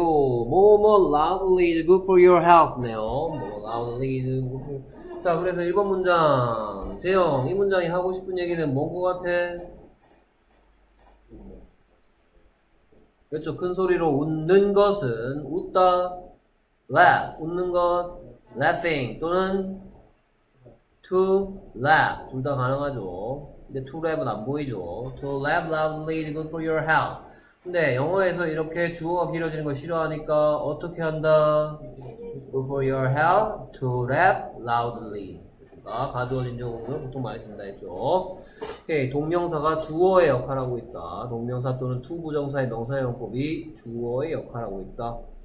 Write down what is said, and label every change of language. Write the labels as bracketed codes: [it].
[en] 뭐뭐 loudly is good for your health 네요. 뭐 loudly is good for your health. [ko] 자, 그래서 1번 문장. 재영, 이 문장이 하고 싶은 얘기는 뭔 것 같아? 그렇죠. 큰 소리로 웃는 것은 웃다, laugh, 웃는 것, [en] laughing, 또는 to laugh. [ko] 둘 다 가능하죠. 근데 to laugh은 안 보이죠. [en] To laugh loudly is good for your health. [ko] 근데 영어에서 이렇게 주어가 길어지는 거 싫어하니까 어떻게 한다? [en] Good for your health, to laugh loudly. [ko] 아, 가주어진 적은 보통 많이 쓴다 했죠. 오케이, 동명사가 주어의 역할하고 있다. 동명사 또는 to 부정사의 명사의 용법이 주어의 역할하고 있다.